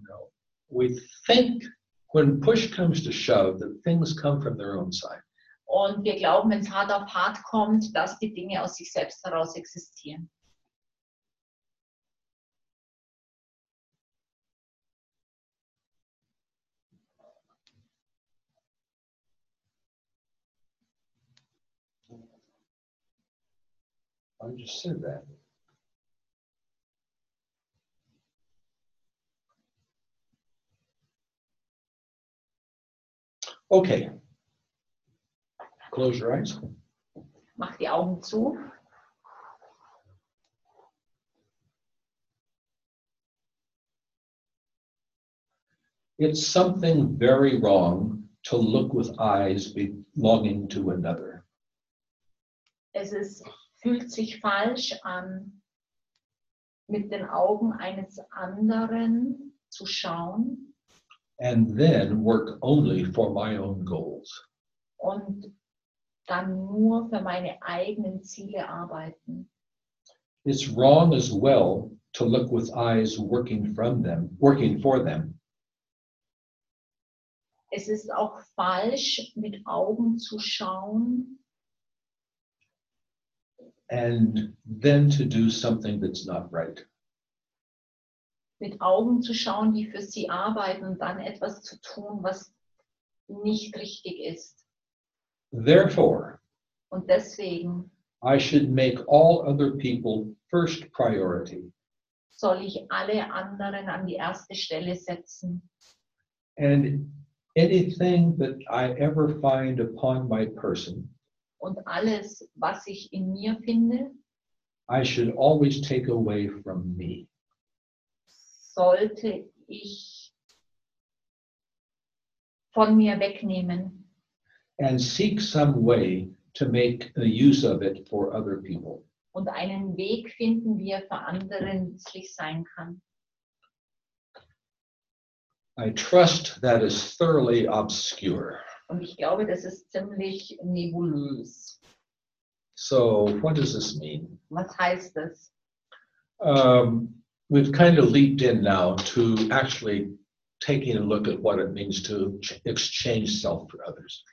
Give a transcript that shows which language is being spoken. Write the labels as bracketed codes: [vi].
[en] No. We think when push comes to shove that things come from their own side. [de] Und wir glauben, wenn es hart auf hart kommt, dass die Dinge aus sich selbst heraus existieren. [en] I just said that. Okay. Close your eyes. [de] Mach die Augen zu. [en] It's something very wrong to look with eyes belonging to another. [de] Es ist, fühlt sich falsch an, mit den Augen eines anderen zu schauen. [en] And then work only for my own goals. [de] Und dann nur für meine eigenen Ziele arbeiten. [en] It's wrong as well to look with eyes working from them, working for them. [de] Es ist auch falsch, mit Augen zu schauen. [en] And then to do something that's not right. [de] Mit Augen zu schauen, die für sie arbeiten, und dann etwas zu tun, was nicht richtig ist. [en] Therefore, [de] und deswegen, [en] I should make all other people first priority. [de] Soll ich alle anderen an die erste Stelle setzen? [en] And anything that I ever find upon my person, [de] und alles, was ich in mir finde, [en] I should always take away from me. [de] Sollte ich von mir wegnehmen. [en] And seek some way to make the use of it for other people. [de] Und einen Weg finden, wie er für andere nützlich sein kann. [en] I trust that is thoroughly obscure. [de] Und ich glaube, das ist ziemlich nebulös. [en] So, what does this mean? [de] Was heißt das? [en] We've kind of leaped in now to actually taking a look at what it means to exchange self for others.